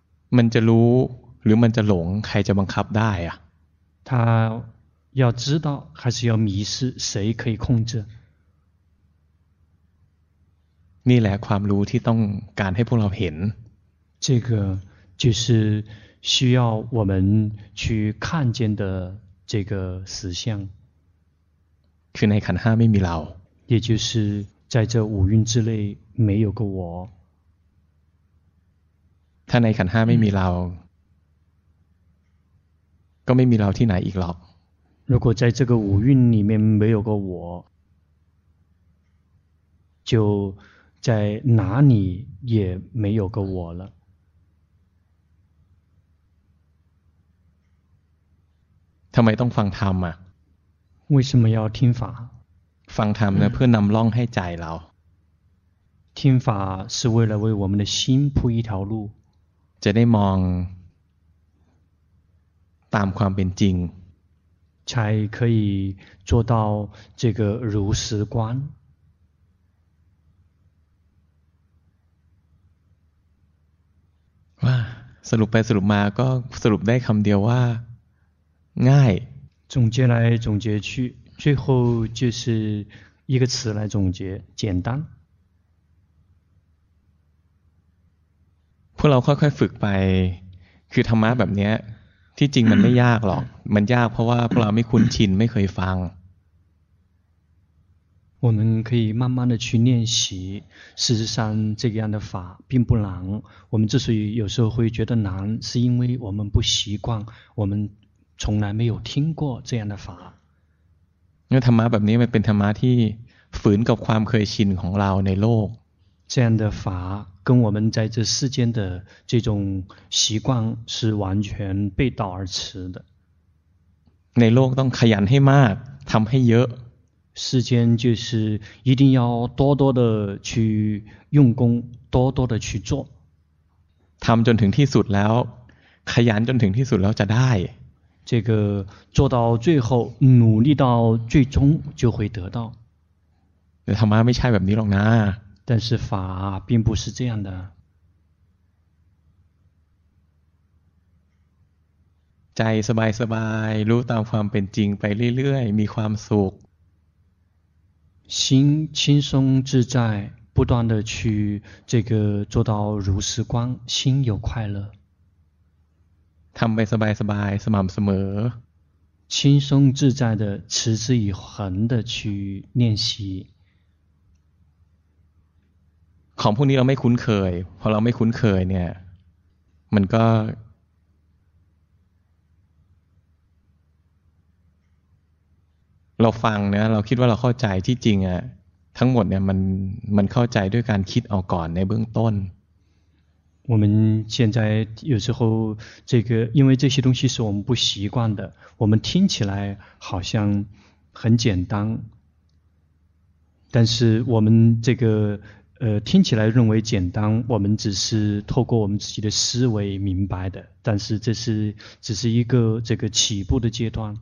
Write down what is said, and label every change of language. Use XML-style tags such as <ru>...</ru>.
<th>มันจะรู้หรือมันจะหลงใครจะบังคับได้อะ</th> <zh>他要知道还是要迷失谁可以控制</zh> <th>นี่แหละความรู้ที่ต้องการให้พวกเราเห็น</th> <zh>这个就是需要我们去看见的这个实相</zh> <th>คือในขันธ์5ไม่มีเรา</th> <zh>也就是在这五蕴之内没有个我</zh> <th>ถ้าในขันธ์5ไม่มีเราก็ไม่มีเราที่ไหนอีกหรอก</th> <zh>如果在这个五蕴里面没有个我就在哪里也没有个我了</zh> <th>ทำไมต้องฟังธรรมอ่ะ</th> <zh>为什么要听法</zh> <th>ฟังธรรมเนี่ยเพื่อนำร่องให้ใจเรา</th> <zh>听法是为了为我们的心铺一条路</zh> <th>จะได้มองตามความเป็นจริง</th> <zh>才可以做到这个如实观</zh> <th>ว่าสรุปไปสรุปมาก็สรุปได้คำเดียวว่าง่าย</th> <zh>总结来总结去最后就是一个词来总结简单</zh> <th>พวกเราค่อยๆฝึกไปคือธรรมะแบบนี้ที่จริงมันไม่ยากหรอก มันยากเพราะว่าพวกเราไม่คุ้นชินไม่เคยฟัง</th> <zh>我们可以慢慢的去练习事实上这个样的法并不难我们之所以有时候会觉得难是因为我们不习惯我们从来没有听过这样的法因为</zh> <th>ธรรมะแบบนี้มันเป็นธรรมะที่ฝืนกับความเคยชินของเราในโลก</th> <zh>这样的法跟我们在这世间的这种习惯是完全背道而驰的</zh> <th>ในโลกต้องขยันให้มากทำให้เยอะ</th> <zh>世间就是一定要多多的去用功多多的去做</zh> <th>ทำจนถึงที่สุดแล้วขยันจนถึงที่สุดแล้วจะได้</th> <zh>这个做到最后努力到最终就会得到</zh> <th>แต่ธรรมะไม่ใช่แบบนี้หรอกนะ</th> <zh>但是法并不是这样的</zh> <th>ใจสบายสบายรู้ตามความเป็นจริงไปเรื่อยๆมีความสุข</th> <zh>心轻松自在不断的去这个做到如实观心有快乐</zh> <th>ทำไปสบายสบายสม่ำเสม</th> <zh>อ轻松自在的持之以恒的去练习</zh> <th>ของพวกนี้เราไม่คุ้นเคยพอเราไม่คุ้นเคยเนี่ยมันก็เราฟังนะเราคิดว่าเราเข้าใจที่จริงอ่ะทั้งหมดเนี่ยมันเข้าใจด้วยการคิดเอาก่อนในเบื้องต้น</th> <zh>我们现在有时候这个因为这些东西是我们不习惯的我们听起来好像很简单但是我们这个听起来认为简单我们只是透过我们自己的思维明白的但是这是只是一个这个起步的阶段</zh>